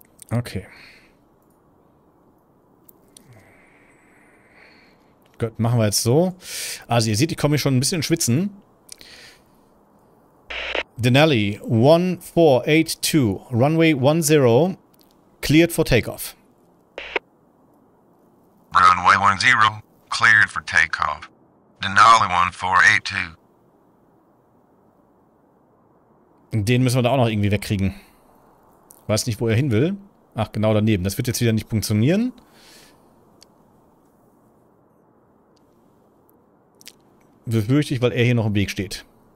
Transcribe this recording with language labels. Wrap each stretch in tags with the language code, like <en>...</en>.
<de>Okay. Gut, machen wir jetzt so. Also ihr seht, ich komme hier schon ein bisschen schwitzen.</de> <en>Denali, 1482, runway 10, cleared for takeoff. Runway 10, cleared for takeoff. Denali 1482.</en> <de>Den müssen wir da auch noch irgendwie wegkriegen. Weiß nicht, wo er hin will. Ach, genau daneben. Das wird jetzt wieder nicht funktionieren. Befürchte ich, weil er hier noch im Weg steht.</de>